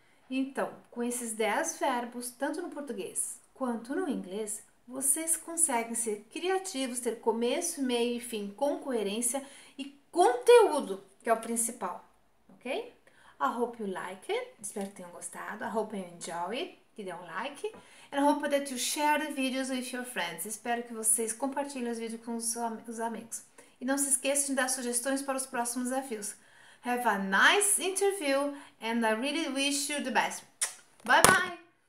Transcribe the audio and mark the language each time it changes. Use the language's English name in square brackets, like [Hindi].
[Portuguese] Então, com esses 10 verbos, tanto no português quanto no inglês, vocês conseguem ser criativos, ter começo, meio e fim com coerência e conteúdo, que é o principal, ok? [English] I hope you like it. [Portuguese] Espero que tenham gostado. [English] I hope you enjoy it. [Portuguese] Que dê um like. [English] And I hope that you share the videos with your friends. [Portuguese] Espero que vocês compartilhem os vídeos com os amigos. E não se esqueçam de dar sugestões para os próximos desafios. [English] Have a nice interview and I really wish you the best. Bye bye!